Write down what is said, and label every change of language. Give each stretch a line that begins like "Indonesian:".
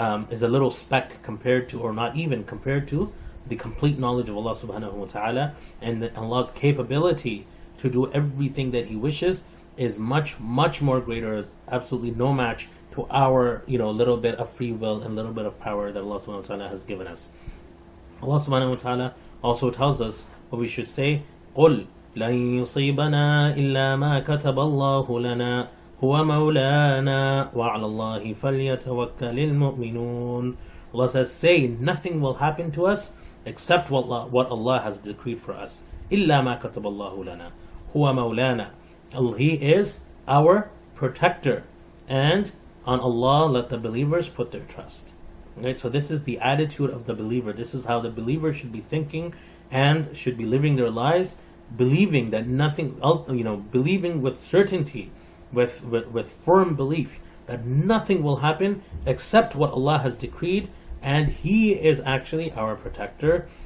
English: Is a little speck compared to, or not even compared to, the complete knowledge of Allah subhanahu wa ta'ala. And that Allah's capability to do everything that He wishes is much, much more greater, absolutely no match to our, you know, little bit of free will and little bit of power that Allah subhanahu wa ta'ala has given us. Allah subhanahu wa ta'ala also tells us what we should say,
Arabic: قُلْ لَنْ يُصِيبَنَا إِلَّا مَا كَتَبَ اللَّهُ لَنَا هُوَ مَوْلَانَا وَعَلَى اللَّهِ فَلْيَتَوَكَّلِ الْمُؤْمِنُونَ.
English: Allah says, say, nothing will happen to us except what Allah has decreed for us.
Arabic: إِلَّا مَا كَتَبَ اللَّهُ لَنَا هُوَ مَوْلَانَا.
English: He is our protector. And on Allah, let the believers put their trust. Right? So this is the attitude of the believer. This is how the believer should be thinking and should be living their lives, believing that nothing, you know, believing with certainty, with firm belief that nothing will happen except what Allah has decreed, and He is actually our protector.